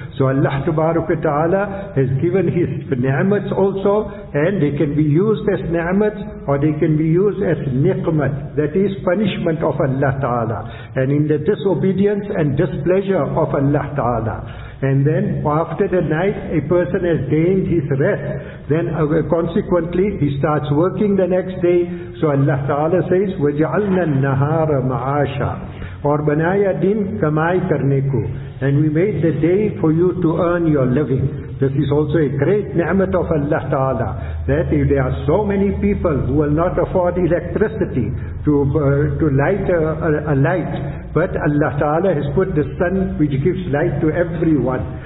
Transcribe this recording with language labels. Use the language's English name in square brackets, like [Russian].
[English] So Allah Ta'ala has given His ni'mat also, and they can be used as ni'mat or they can be used as niqmat, that is punishment of Allah Ta'ala, and in the disobedience and displeasure of Allah Ta'ala. And then after the night a person has gained his rest, then consequently he starts working the next day. So Allah Ta'ala says, [Arabic] وَجَعَلْنَا النَّهَارَ مَعَاشًا [Urdu] اور بنایا دن کمائی کرنے کو. [English] And we made the day for you to earn your living. This is also a great ni'mat of Allah Ta'ala, that if there are so many people who will not afford electricity to light a light, but Allah Ta'ala has put the sun which gives light to everyone.